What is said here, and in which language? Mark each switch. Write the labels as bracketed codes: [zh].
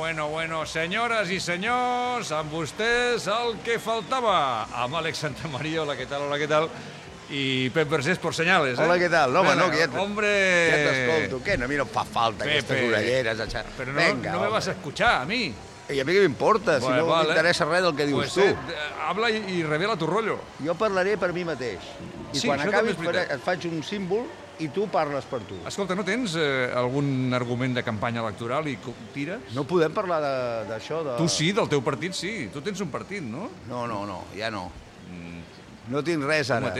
[es] Bueno, señoras y señores, [ca] amb vostès el que faltava. Amb Àlex Santamaría, hola, què tal, hola, què tal? I Pep Vergés, [es] por señales, [ca] Hola, què tal? Home, no, que ja t'escolto. Què? No, a mi no fa falta aquestes orelleres. [es] Però venga, no me vas a escuchar, a mi. [ca] I a mi què m'importa, si no m'interessa res del que dius tu. Habla i revela tu rotllo. Jo parlaré per mi mateix. I sí, quan acabis et faig un símbol i tu parles per tu. Escolta, no tens algun argument de campanya electoral i tires? No podem parlar d'això. Tu sí, del teu partit sí. Tu tens un partit, no? No, ja no. No tinc res ara.